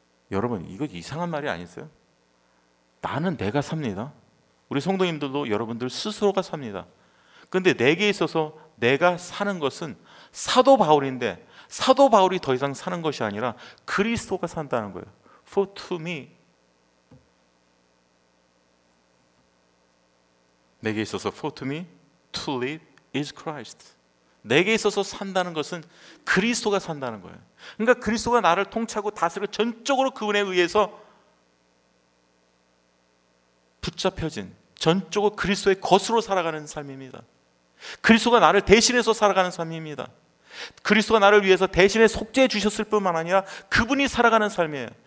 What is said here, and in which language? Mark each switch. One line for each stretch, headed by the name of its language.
Korean: 여러분 이거 이상한 말이 아니세요? 나는 내가 삽니다. 우리 성도님들도 여러분들 스스로가 삽니다. 근데 내게 있어서 내가 사는 것은 사도 바울인데 사도 바울이 더 이상 사는 것이 아니라 그리스도가 산다는 거예요.
English: For to me
Korean: 내게 있어서
English: For to me to live is Christ.
Korean: 내게 있어서 산다는 것은 그리스도가 산다는 거예요. 그러니까 그리스도가 나를 통치하고 다스리고 전적으로 그 은혜에 의해서 붙잡혀진 전적으로 그리스도의 것으로 살아가는 삶입니다. 그리스도가 나를 대신해서 살아가는 삶입니다. 그리스도가 나를 위해서 대신에 속죄해 주셨을 뿐만 아니라 그분이 살아가는 삶이에요.